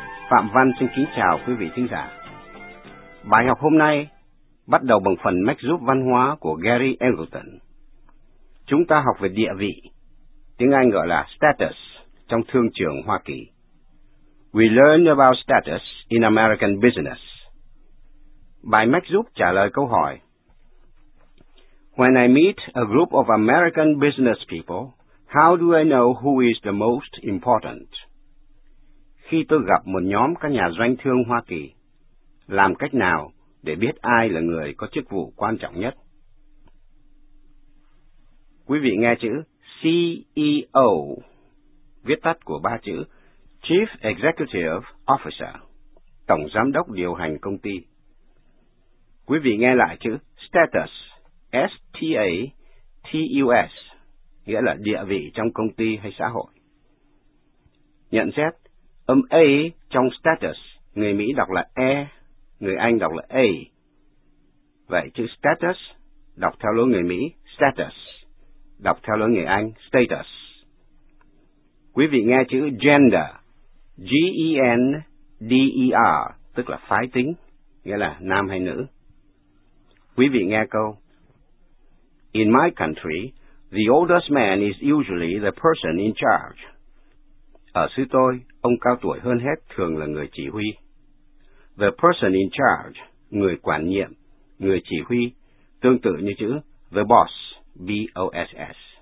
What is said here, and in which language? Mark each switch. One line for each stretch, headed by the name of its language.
Vietnamese: Phạm Văn xin kính chào quý vị thính giả. Bài học hôm nay bắt đầu bằng phần mách giúp văn hóa của Gary Engleton. Chúng ta học về địa vị, tiếng Anh gọi là status, trong thương trường Hoa Kỳ.
English: We learn about status in American business.
Vietnamese: Bài mách giúp trả lời câu hỏi.
English: When I meet a group of American business people, how do I know who is the most important?
Vietnamese: Khi tôi gặp một nhóm các nhà doanh thương Hoa Kỳ, làm cách nào để biết ai là người có chức vụ quan trọng nhất? Quý vị nghe chữ CEO, viết tắt của ba chữ Chief Executive Officer, Tổng Giám đốc Điều hành Công ty. Quý vị nghe lại chữ status, S-T-A-T-U-S, nghĩa là địa vị trong công ty hay xã hội. Nhận xét, âm A trong status, người Mỹ đọc là E, người Anh đọc là A. Vậy chữ status, đọc theo lối người Mỹ, status, đọc theo lối người Anh, status. Quý vị nghe chữ gender, G-E-N-D-E-R, tức là phái tính, nghĩa là nam hay nữ. Quý vị nghe câu.
English: In my country, the oldest man is usually the person in charge.
Vietnamese: Ở xứ tôi, ông cao tuổi hơn hết thường là người chỉ huy.
English: The person in charge,
Vietnamese: người quản nhiệm, người chỉ huy, tương tự như chữ the boss, B-O-S-S.